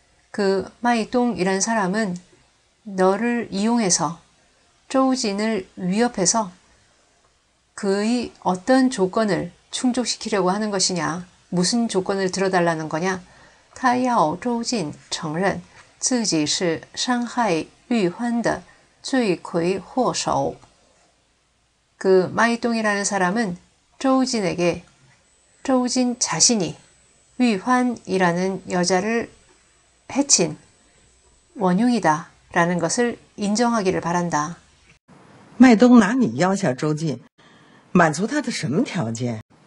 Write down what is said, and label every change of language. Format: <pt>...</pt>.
<ko>그 마이동이란 사람은 너를 이용해서 周진을 위협해서 그의 어떤 조건을 충족시키려고 하는 것이냐? 무슨 조건을 들어달라는 거냐?</ko> <zh>他要周进承认自己是伤害玉欢的罪魁祸首.</zh> <ko>그 마이동이라는 사람은 周진에게 周진 자신이 玉欢이라는 여자를 해친 원흉이다 라는 것을 인정하기를 바란다.</ko> <zh>마이동拿你要挟周进满足他的什么条件?</zh>